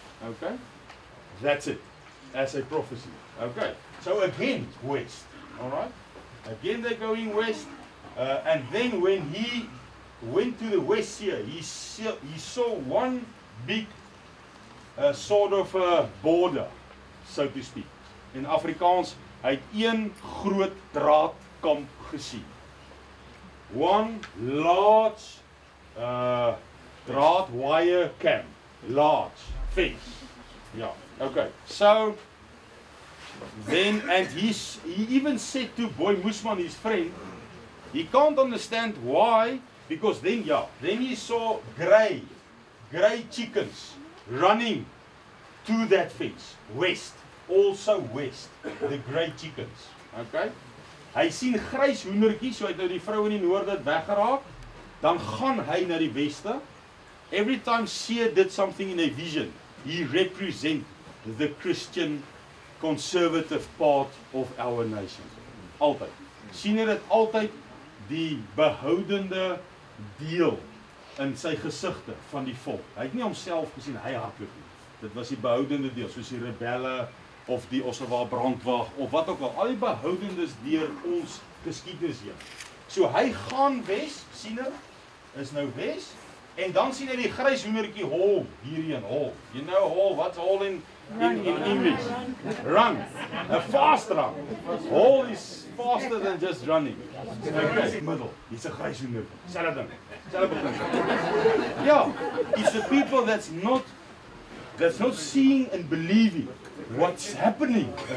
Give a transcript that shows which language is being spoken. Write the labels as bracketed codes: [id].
[en] Okay? That's it. As a prophecy. Okay? So again, west. Alright? Again they're going west. And then when he went to the west here, he saw one big sort of a border, so to speak. In Afrikaans, [af] hy het een groot draadkamp gesien. [en] One large draad wire camp, large fence. Yeah, okay. So then, and he even said to Boy Moosman, his friend, he can't understand why, because then, yeah, then he saw gray chickens running to that fence, west, also west, the gray chickens. Okay. [af] Hy sien grys hoenderkie, so hy het nou die vrou in die noorde weggeraak, dan gaan hy naar die weste. [en] Every time she did something in a vision, he represent the Christian conservative part of our nation. [af] Altyd. Sien het altyd die behoudende deel in sy gezichte van die volk. Hy het nie homself gesien, hy hardloop nie. Dit was die behoudende deel, soos die rebelle, of die Ossawa brandwag, of wat ook al die behoudendes dier ons geskiedenis hier. So hy gaan wees, sien hy, is nou wees, en dan sien hy die grys hoenderkie hol, hierheen hol. [en] You know hol, what's hol in English? Run. A fast run. Hol is faster than just running. Okay, middle. [af] Dit is 'n grys hoenderkie. Selfe ding. Selfe ding. [en] Ja, it's the people that's not seeing and believing what's happening.